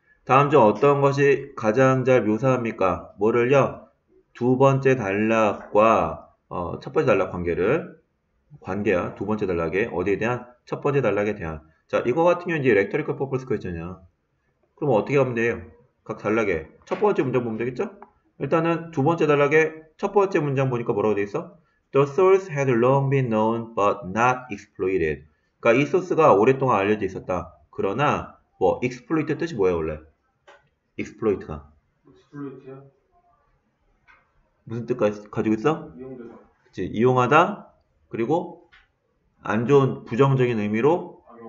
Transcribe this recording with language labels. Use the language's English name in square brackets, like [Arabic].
[Korean] 다음 중 어떤 것이 가장 잘 묘사합니까? 뭐를요? 두 번째 단락과 첫 번째 단락 관계를. 관계야. 두 번째 단락에 어디에 대한? 첫 번째 단락에 대한. 자, 이거 같은 경우 이제 레토리컬 퍼포먼스 퀘스천이야. 그럼 어떻게 하면 돼요? 각 단락에 첫 번째 문장 보면 되겠죠? 일단은 두 번째 단락에 첫 번째 문장 보니까 뭐라고 돼 있어? [English] The source had long been known but not exploited. [Korean] 그러니까 이 소스가 오랫동안 알려져 있었다. 그러나 뭐 exploit의 뜻이 뭐야 원래? exploit가 exploit야? 무슨 뜻 가지고 있어? 이용되다. 그치, 이용하다. 그리고 안 좋은 부정적인 의미로